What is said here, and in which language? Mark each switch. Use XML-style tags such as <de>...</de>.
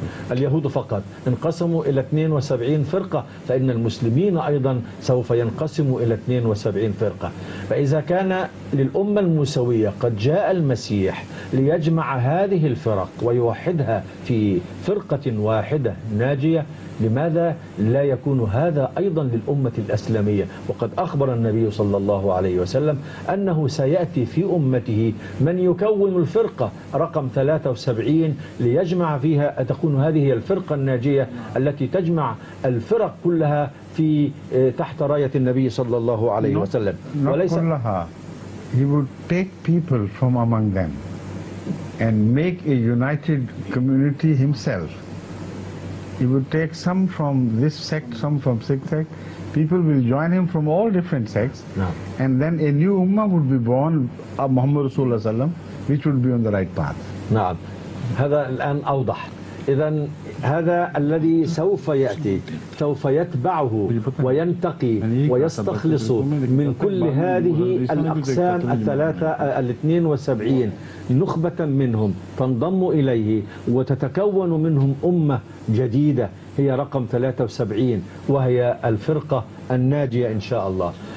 <ar>اليهود فقط انقسموا إلى 72 فرقة فإن المسلمين أيضا سوف ينقسموا إلى 72 فرقة فإذا كان للأمة الموسوية قد جاء المسيح ليجمع هذه الفرق ويوحدها في فرقة واحدة ناجية لماذا لا يكون هذا أيضا للأمة الإسلامية وقد أخبر النبي صلى الله عليه وسلم أنه سيأتي في أمته من يكون الفرقة رقم 73 ليجمع فيها أتكون هذه الفرقة الناجية التي تجمع الفرق كلها في تحت راية النبي صلى الله عليه وسلم وليس كلها</ar> <en>he would take people from among them and make a united community himself He would take some from this sect, some from Sikh sect. People will join him from all different sects. No. And then a new Ummah would be born of Muhammad Rasulullah Sallam, which would be on the right path.</en> <ar>نعم. هذا الآن أوضح. إذن هذا الذي سوف يأتي سوف يتبعه وينتقي ويستخلص من كل هذه الأقسام الثلاثة الاثنين والسبعين نخبة منهم تنضم إليه وتتكون منهم أمة جديدة هي رقم 73 وهي الفرقة الناجية إن شاء الله.</ar>